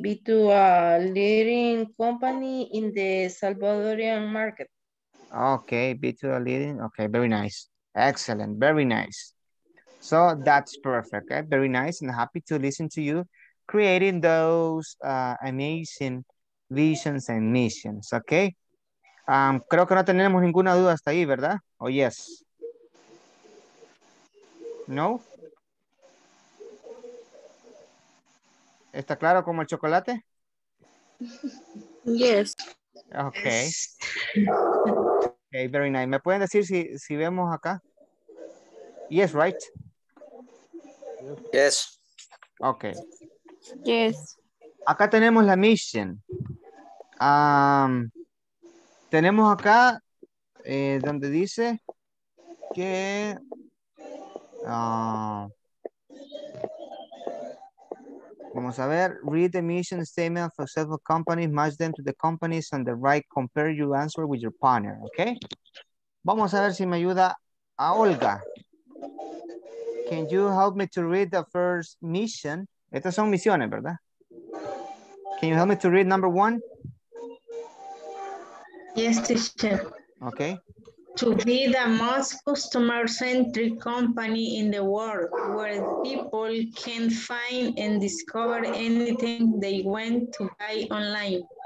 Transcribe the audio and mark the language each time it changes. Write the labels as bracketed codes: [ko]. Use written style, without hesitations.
[en] Be to a leading company in the Salvadorian market. Okay, be to a leading. Okay, very nice. Excellent. Very nice. So that's perfect. Okay? Very nice and happy to listen to you creating those amazing visions and missions. Okay. [es] Creo que no tenemos ninguna duda hasta ahí, ¿verdad? [en] Oh, yes. No. [es] ¿Está claro como el chocolate? [en] Yes. Okay. [es] Okay, [en] very nice. [es] ¿Me pueden decir si vemos acá? [en] Yes, right. Yes. Okay. Yes. [es] Acá tenemos la mission. Tenemos acá donde dice que vamos a ver. [en] Read the mission statement of a successful company. Match them to the companies on the right. Compare your answer with your partner. Okay. [es] Vamos a ver si me ayuda a Olga. [en] Can you help me to read the first mission? [es] Estas son misiones, ¿verdad? [en] Can you help me to read number one? Yes, teacher. Okay. To be the most customer-centric company in the world, where people can find and discover anything they want to buy online.